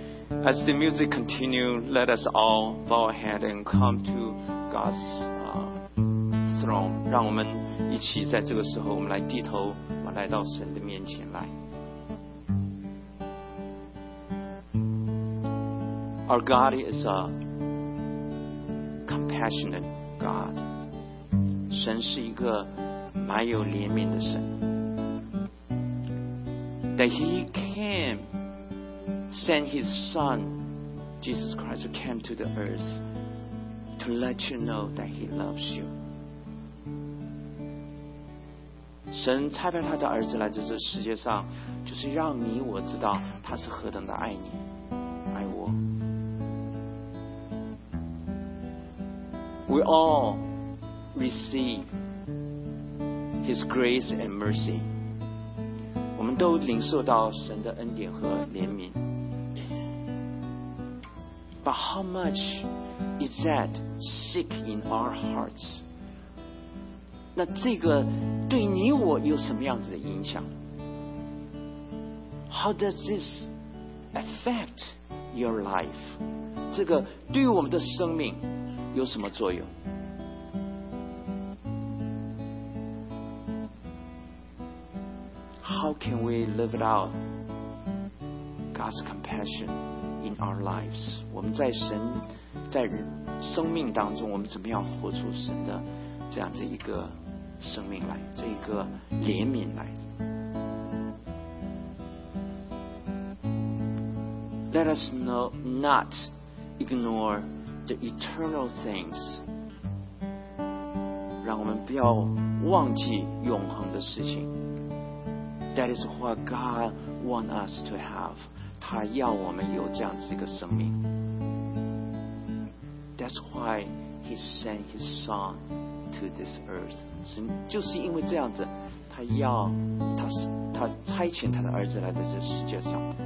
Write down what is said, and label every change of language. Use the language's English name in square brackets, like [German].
[English] Let us all bow our head and come to God's throne. [Chinese] 让我们一起在这个时候，我们来低头，我们来到神的面前来。 [English] Our God is a compassionate God. [Chinese] 神是一个蛮有怜悯的神。 [English] That He came, sent His Son. Jesus Christ came to the earth to let you know that He loves you. [Chinese] 神差派他的儿子来这世界上，就是让你我知道他是何等的爱你，爱我。 [English] We all receive His grace and mercy. [Chinese] 我们都领受到神的恩典和怜悯。 [English] But how much is that sick in our hearts? [Chinese] 那这个对你我有什么样子的影响？ [English] How does this affect your life? [Chinese] 这个对于我们的生命有什么作用？ [English] How can we live it out God's compassion in our lives? [Chinese] 我们在神在生命当中，我们怎么样活出神的这样的一个生命来，这一个怜悯来？ [English] Let us not ignore the eternal things. [Chinese] 让我们不要忘记永恒的事情。 [English] That is what God wants us to have. [Chinese] 他要我们有这样子一个生命。 [English] That's why He sent His Son to this earth. [Chinese] 就是因为这样子，他要他差遣他的儿子来到这世界上。